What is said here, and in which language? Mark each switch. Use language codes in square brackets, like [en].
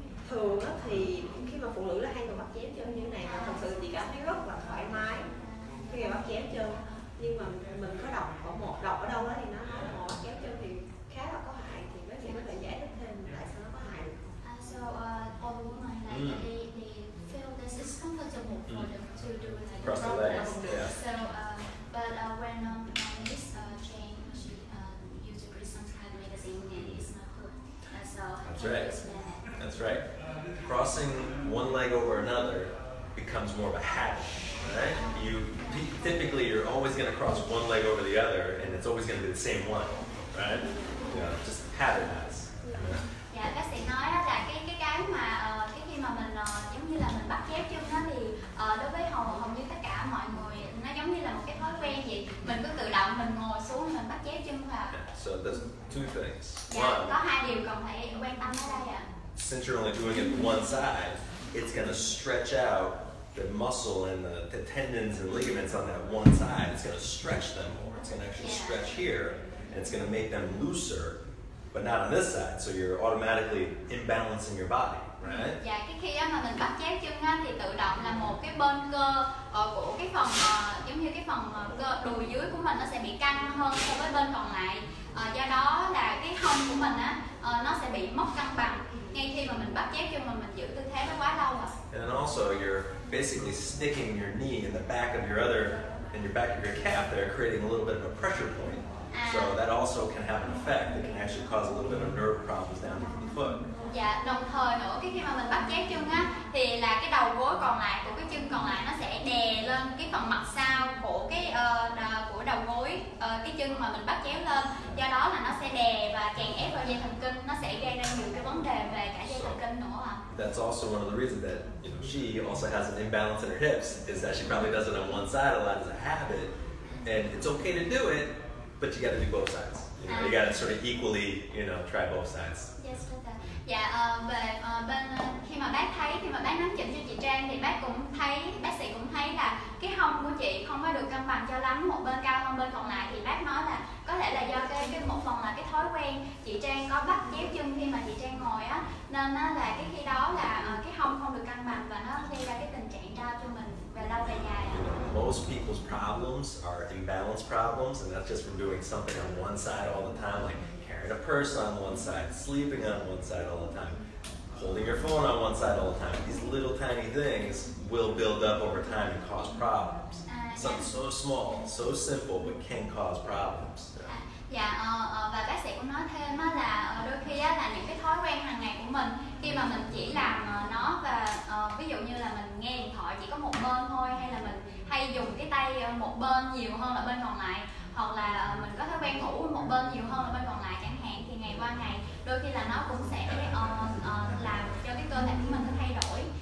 [vi] Thường thì khi mà phụ nữ là hay bắt chém chân như thế này, thật sự chị cảm thấy rất là thoải mái khi bắt chém chân. Nhưng mà mình có đọc ở đâu đó thì nó nói là bắt chém chân thì khá là có hại, thì bác sĩ có thể giải thích thêm tại sao nó có hại được. [en] So all of my life they feel this is comfortable for them to do it like cross the legs. Yeah. So but when this change she used to read some kind of magazine and it's not good. So That's right. Crossing one leg over another becomes more of a habit, right? You typically you're always going to cross one leg over the other, and it's always going to be the same one, right? You know, just habit-wise. [vi] Yeah, bác sĩ nói là cái mà cái khi mà mình giống như là mình bắt chép chân đó thì đối với hầu như tất cả mọi người nó giống như là một cái thói quen vậy, mình cứ tự động mình ngồi xuống mình bắt chép chân vào. [en] So there's two things. [vi] Có hai điều cần phải quan tâm ở đây ạ. [en] Since you're only doing it one side, it's gonna stretch out the muscle and the tendons and ligaments on that one side. It's gonna stretch them more. It's gonna actually stretch here, and it's gonna make them looser, but not on this side. So you're automatically imbalancing your body, right? [vi] Yeah, cái khi mà mình bắt chéo chân á thì tự động là một cái bên cơ của cái phần giống như cái phần cơ đùi dưới của mình nó sẽ bị căng hơn so với bên còn lại. Do đó là cái hông của mình á nó sẽ bị mất cân bằng. [en] And then also you're basically sticking your knee in the back of your other, in your back of your calf there, creating a little bit of a pressure point. So that also can have an effect. It can actually cause a little bit of nerve problems down in the foot. [vi] Yeah, đồng thời nữa, cái khi mà mình bắt chéo chân á, thì là cái đầu gối còn lại của cái chân còn lại nó sẽ đè lên cái phần mặt sau của cái của đầu gối cái chân mà mình bắt chéo lên. Do đó là nó sẽ đè và chèn ép vào dây thần kinh, nó sẽ gây ra nhiều cái vấn đề về cả dây thần kinh nữa. [en] That's also one of the reasons that you know she also has an imbalance in her hips is that she probably does it on one side a lot as a habit, and it's okay to do it, but you got to do both sides. You know, you got to sort of equally, you know, try both sides. Yes, doctor. [vi] Yeah, khi mà bác thấy khi mà bác nắm chỉnh cho chị Trang thì bác sĩ cũng thấy là cái hông của chị không có được cân bằng cho lắm, một bên cao hơn bên còn lại, thì bác nói là có thể là do cái một phần là cái thói quen chị Trang có bắt chéo chân khi mà chị Trang ngồi á, nên là cái khi đó là cái hông không được cân bằng và nó gây ra cái tình trạng đau cho mình về lâu về dài. [en] Most people's problems are imbalance problems, and that's just from doing something on one side all the time, like carrying a purse on one side, sleeping on one side all the time, holding your phone on one side all the time. These little tiny things will build up over time and cause problems. Something so small, so simple, but can cause problems. [vi] Và bác sĩ cũng nói thêm là đôi khi là những cái thói quen hàng ngày của mình khi mà mình chỉ làm nó và ví dụ như là mình nghe điện thoại chỉ có một bên thôi, hay là mình hay dùng cái tay một bên nhiều hơn là bên còn lại, hoặc là mình có thói quen ngủ một bên nhiều hơn là bên còn lại chẳng hạn, thì ngày qua ngày đôi khi là nó cũng sẽ làm cho cái cơ thể của mình nó thay đổi.